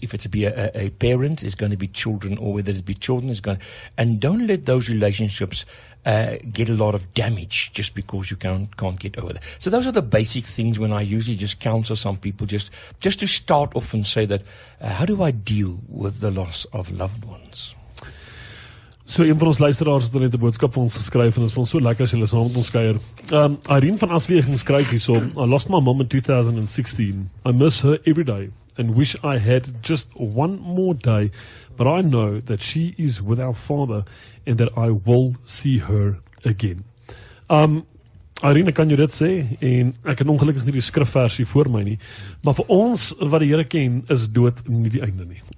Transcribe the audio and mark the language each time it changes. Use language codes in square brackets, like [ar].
[en] If it's a parent, it's going to be children, or whether it be children, it's going to, and don't let those relationships get a lot of damage just because you can't get over that. So those are the basic things when I usually just counsel some people, just to start off and say that, how do I deal with the loss of loved ones? [af] So een van ons luisteraars het net 'n boodskap vir ons geskryf en dit is ons so lekker as julle saam met ons kuier. [en] Irene van Aswegen skryf hierso: I lost my mom in 2016. I miss her every day and wish I had just one more day, but I know that she is with our father and that I will see her again. [af] Irene, kan jy dit sê? En ek het ongelukkig nie die skrifversie voor my nie. Maar vir ons wat die Here ken, is dood nie die einde nie.